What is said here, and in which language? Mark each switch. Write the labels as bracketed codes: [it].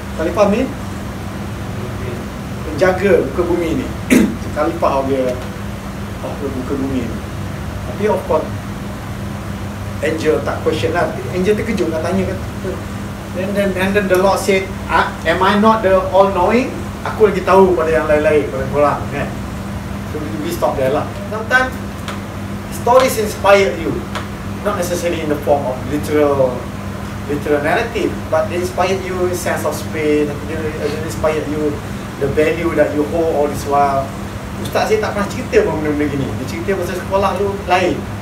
[ms] Khalifah mean penjaga muka bumi ni. Khalifah dia of muka bumi ni. Tapi [en] of course [ms] angel tak question lah. Angel terkejut nak tanya kata. [en] Then the Lord said, am I not the all-knowing? [ms] Aku lagi tahu pada yang lain-lain, pada korang, kan? [en] So, we stop there lah. Sometimes, stories inspire you. Not necessarily in the form of literal narrative, but they inspire you in sense of space, they inspire you the value that you hold all this while. [ms] Ustaz saya tak pernah cerita pun benda-benda gini. Dia cerita pasal sekolah tu lain.